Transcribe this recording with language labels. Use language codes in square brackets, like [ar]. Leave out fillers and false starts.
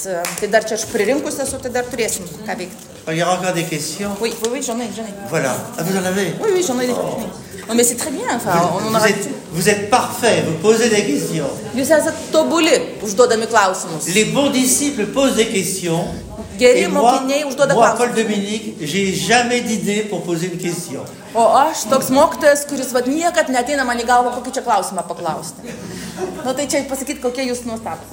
[lt] Tai dar čia aš pririnkus esu, tai dar turėsim ką veikti. [fr] Il y aura encore des questions? Oui, oui, oui, j'en ai. Voilà. Ah, vous en avez? Oui, oui, j'en ai des questions. Non, mais c'est très bien, enfin, on en a... Vous êtes parfait, vous posez des questions. [lt] Jūs esat tobuli, užduodami klausimus. [fr] Les bons disciples posent des questions. [lt] Geri mokiniai užduoda klausimus. [fr] Moi, Paul Dominique, j'ai jamais d'idée pour poser une question. [lt] O aš toks mokytojas, kuris vat niekad neateina man į galvą, kokį čia klausimą paklausti. Nu, tai čia pasakyt, kokie jūs nuostabūs.